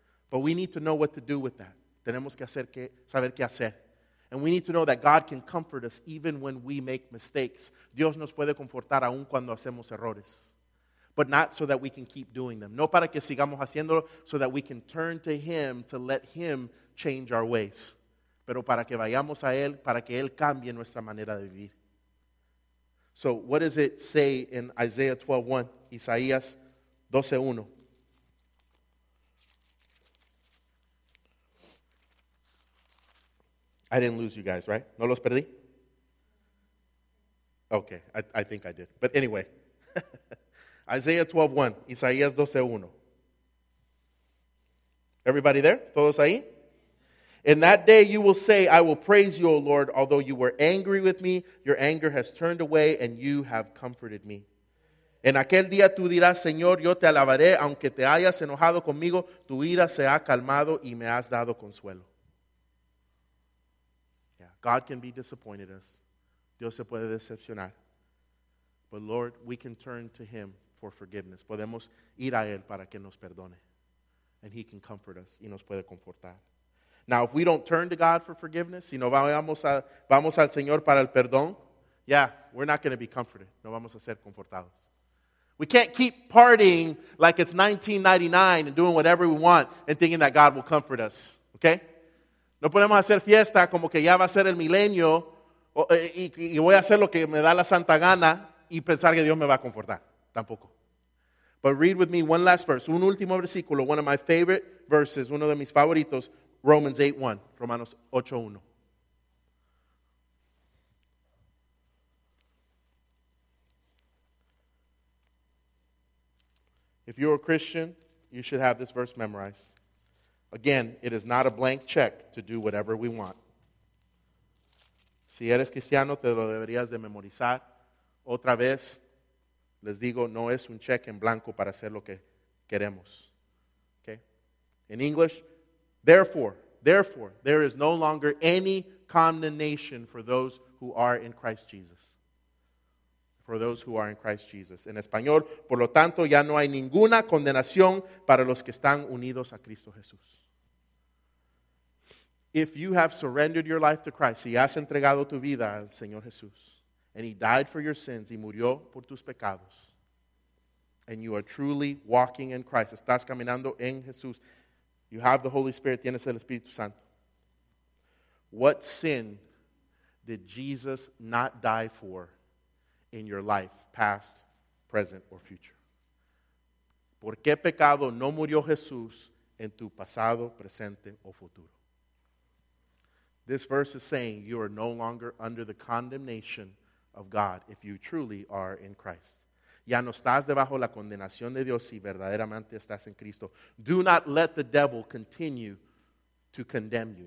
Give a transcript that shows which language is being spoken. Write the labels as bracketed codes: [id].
[en] But we need to know what to do with that. [es] Tenemos que hacer que, saber qué hacer. [en] And we need to know that God can comfort us even when we make mistakes. [es] Dios nos puede confortar aun cuando hacemos errores. [en] But not so that we can keep doing them. [es] No para que sigamos haciéndolo, [en] so that we can turn to Him to let Him change our ways. [es] Pero para que vayamos a Él, para que Él cambie nuestra manera de vivir. [en] So what does it say in Isaiah 12:1, Isaías 12:1? I didn't lose you guys, right? [es] ¿No los perdí? [en] Okay, I think I did. But anyway, Isaiah 12:1, Isaías 12:1. Everybody there? [es] ¿Todos ahí? [en] In that day you will say, I will praise you, O Lord, although you were angry with me, your anger has turned away and you have comforted me. [es] En aquel día tú dirás, Señor, yo te alabaré, aunque te hayas enojado conmigo, tu ira se ha calmado y me has dado consuelo. [en] God can be disappointed in us. [es] Dios se puede decepcionar. [en] But Lord, we can turn to Him for forgiveness. [es] Podemos ir a Él para que nos perdone. [en] And He can comfort us. [es] Y nos puede confortar. [en] Now, if we don't turn to God for forgiveness, [es] si no vamos al Señor para el perdón, [en] yeah, we're not going to be comforted. [es] No vamos a ser confortados. [en] We can't keep partying like it's 1999 and doing whatever we want and thinking that God will comfort us. Okay? [es] No podemos hacer fiesta como que ya va a ser el milenio y voy a hacer lo que me da la santa gana y pensar que Dios me va a confortar. Tampoco. [en] But read with me one last verse. [es] Un último versículo. [en] One of my favorite verses. [es] Uno de mis favoritos. [en] Romans 8:1. [es] Romanos 8:1. [en] If you're a Christian, you should have this verse memorized. Again, it is not a blank check to do whatever we want. [es] Si eres cristiano, te lo deberías de memorizar. Otra vez, les digo, no es un cheque en blanco para hacer lo que queremos. [en] Okay? In English, therefore, there is no longer any condemnation for those who are in Christ Jesus. For those who are in Christ Jesus. [es] En español, por lo tanto, ya no hay ninguna condenación para los que están unidos a Cristo Jesús. [en] If you have surrendered your life to Christ, [es] si has entregado tu vida al Señor Jesús, [en] and He died for your sins, [es] y murió por tus pecados, [en] and you are truly walking in Christ, [es] estás caminando en Jesús, [en] you have the Holy Spirit, [es] tienes el Espíritu Santo. [en] What sin did Jesus not die for in your life, past, present, or future? [es] ¿Por qué pecado no murió Jesús en tu pasado, presente, o futuro? [en] This verse is saying you are no longer under the condemnation of God if you truly are in Christ. [es] Ya no estás debajo la condenación de Dios si verdaderamente estás en Cristo. [en] Do not let the devil continue to condemn you.